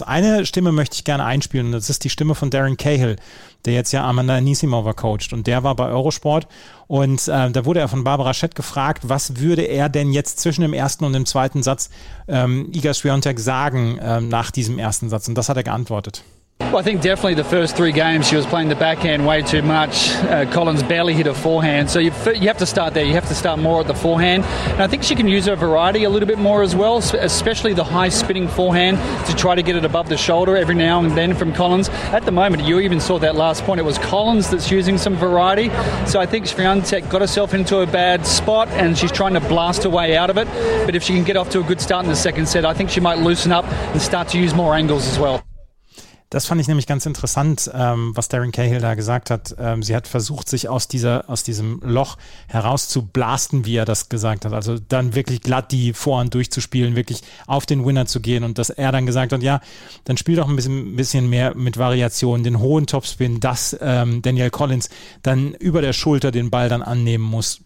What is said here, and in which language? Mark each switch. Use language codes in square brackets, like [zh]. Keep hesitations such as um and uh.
[de] Eine Stimme möchte ich gerne einspielen das ist die Stimme von Darren Cahill, der jetzt ja Amanda Nisimova coacht und der war bei Eurosport und äh, da wurde er von Barbara Schett gefragt, was würde er denn jetzt zwischen dem ersten und dem zweiten Satz ähm, Iga Swiatek sagen, ähm, nach diesem ersten Satz. Und das hat er geantwortet. [en] Well, I think definitely the first three games she was playing the backhand way too much. Uh, Collins barely hit a forehand, so you, you have to start there. You have to start more at the forehand, and I think she can use her variety a little bit more as well, especially the high spinning forehand to try to get it above the shoulder every now and then from Collins. At the moment, you even saw that last point. It was Collins that's using some variety, so I think Sviantek got herself into a bad spot and she's trying to blast her way out of it. But if she can get off to a good start in the second set, I think she might loosen up and start to use more angles as well. [de] Das fand ich nämlich ganz interessant, ähm, was Darren Cahill da gesagt hat. Ähm, sie hat versucht, sich aus dieser, aus diesem Loch heraus zu herauszublasten, wie er das gesagt hat. Also dann wirklich glatt die Vorhand durchzuspielen, wirklich auf den Winner zu gehen und dass er dann gesagt hat, ja, dann spiel doch ein bisschen, bisschen mehr mit Variationen, den hohen Topspin, dass ähm, Daniel Collins dann über der Schulter den Ball dann annehmen muss.